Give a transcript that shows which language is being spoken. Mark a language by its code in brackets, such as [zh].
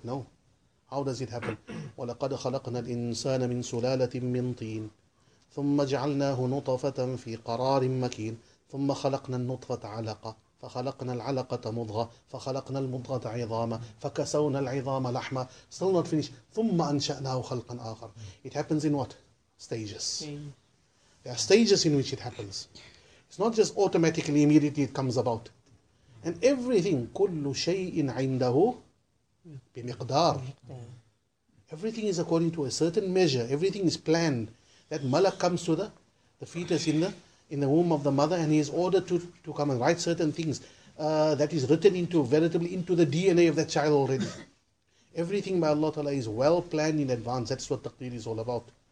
[en] No. How does it happen? [ar] وَلَقَدْ خَلَقْنَا الْإِنسَانَ مِنْ سُلَالَةٍ مِّنْ طِينَ ثُمَّ جَعَلْنَاهُ نُطَفَةً فِي قَرَارٍ مَكِينَ ثُمَّ خَلَقْنَا النُطْفَةَ عَلَقَةً فَخَلَقْنَا الْعَلَقَةَ مُضْغَةً فَخَلَقْنَا الْمُضْغَةَ عِظَامًا فَكَسَوْنَا الْعِظَامَ لَحْمًا. [en] Still not finished. [ar] ثُمَّ أَنْشَأْنَاهُ خَلْقًا آخَرَ. [en] It happens in what? Stages. There are stages in which it happens. It's not just automatically, immediately it comes about. And everything, [ar] كُلُّ شَيْءٍ عِنْدَهُ بِمِقْدَارٍ. [en] Everything is according to a certain measure. Everything is planned. That malak comes to the fetus in the womb of the mother, and he is ordered to come and write certain things that is written veritably into the DNA of that child already. Everything by Allah Ta'ala is well planned in advance. That's what taqdeer is all about.